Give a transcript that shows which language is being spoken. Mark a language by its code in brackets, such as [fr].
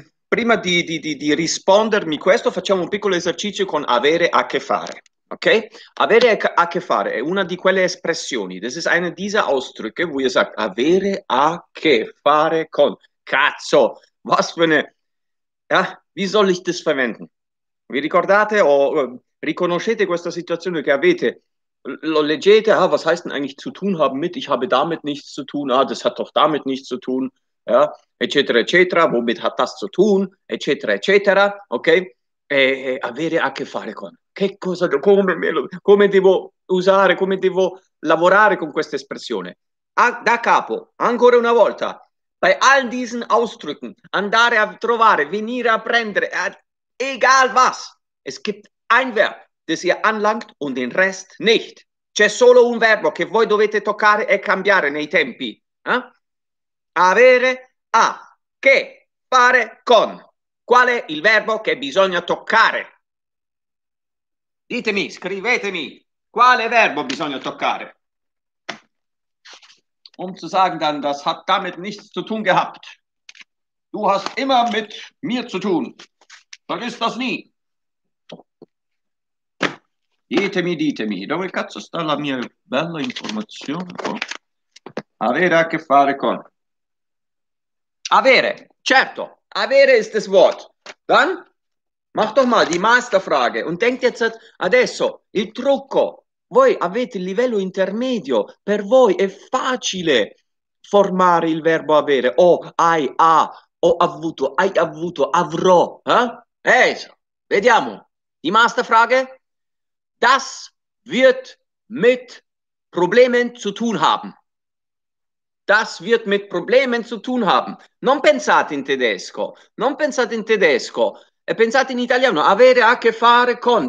[it] Prima di rispondermi questo, facciamo un piccolo esercizio con avere a che fare. Ok? Avere a che fare è una di quelle espressioni. [en] This is [de] eine dieser Ausdrücke, wo ihr sagt, [it] avere a che fare con. Cazzo! [de] Was für eine. Wie soll ich das verwenden? [it] Vi ricordate o. [de] Oh, [it] Riconoscete questa situazione che avete? Lo leggete, [de] ah, was heißt denn eigentlich zu tun haben mit? Ich habe damit nichts zu tun, ah, das hat doch damit nichts zu tun, ja, [it] eccetera, eccetera, [de] womit hat das zu tun, eccetera, eccetera, ok? [it] E avere a che fare con. Che cosa, come devo usare, come devo lavorare con questa espressione? Da capo, ancora una volta, [de] bei all diesen Ausdrücken, [it] andare a trovare, venire a prendere, [de] egal was, es gibt ein Verb. Das ihr anlangt und den Rest nicht. [it] C'è solo un verbo che voi dovete toccare e cambiare nei tempi. Eh? Avere a che fare con. Qual è il verbo che bisogna toccare? Ditemi, scrivetemi, quale verbo bisogna toccare? [de] Um zu sagen, dann, das hat damit nichts zu tun gehabt. Du hast immer mit mir zu tun. Vergiss das nie. [it] Ditemi, ditemi, dove cazzo sta la mia bella informazione? Avere a che fare con. Avere, certo, avere [de] ist das Wort. Dann, mach doch mal die Masterfrage und denkt jetzt [it] adesso, il trucco, voi avete il livello intermedio, per voi è facile formare il verbo avere, o hai, ha, o avuto, hai avuto, avrò. Vediamo, [de] die Masterfrage. Das wird mit Problemen zu tun haben. Das wird mit Problemen zu tun haben. [it] Non pensate in tedesco. Non pensate in tedesco. E pensate in italiano. Avere a che fare con.